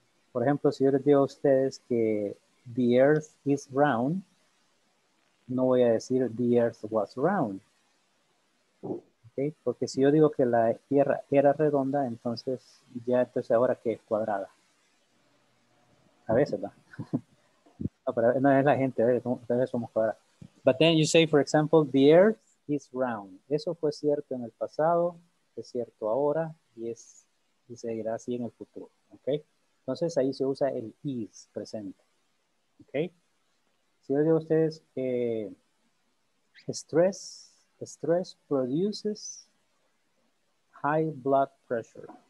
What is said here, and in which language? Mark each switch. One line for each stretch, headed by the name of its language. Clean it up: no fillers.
Spanish: Por ejemplo, si yo les digo a ustedes que
English: the earth is round,
Spanish: no voy a decir
English: the earth was round.
Spanish: ¿Okay? Porque si yo digo que la tierra era redonda, entonces ya entonces ahora que es cuadrada. A veces va. No, pero no es la gente, a veces somos cuadrados.
English: But then you say, for example, the earth is round.
Spanish: Eso fue cierto en el pasado, es cierto ahora y seguirá así en el futuro. Okay? Entonces ahí se usa el is presente. Okay? Si yo digo a ustedes que
English: stress produces high blood pressure.